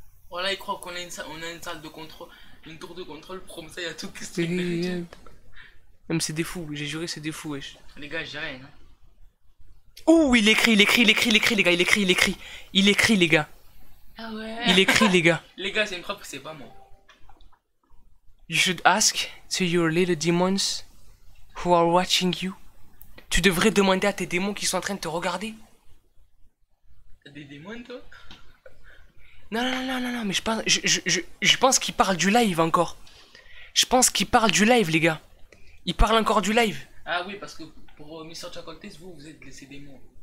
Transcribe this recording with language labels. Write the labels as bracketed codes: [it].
[fr] Voilà, ils croient qu'on a une salle de contrôle, une tour de contrôle, comme ça il y a tout qui se passe. Même c'est des fous, j'ai juré c'est des fous, wesh. Les gars, j'ai rien. Hein. Ouh, il écrit, les gars, il écrit. Il écrit, les gars. Ah ouais. Il écrit les gars. Les gars, c'est une preuve que c'est pas moi. [en] You should ask to your little demons who are watching you. [fr] Tu devrais demander à tes démons qui sont en train de te regarder. T'as des démons toi? Non, mais je pense qu'il parle du live encore. Je pense qu'il parle du live les gars. Il parle encore du live. Ah oui, parce que pour Mr. Chacoltes, vous êtes laissé démons.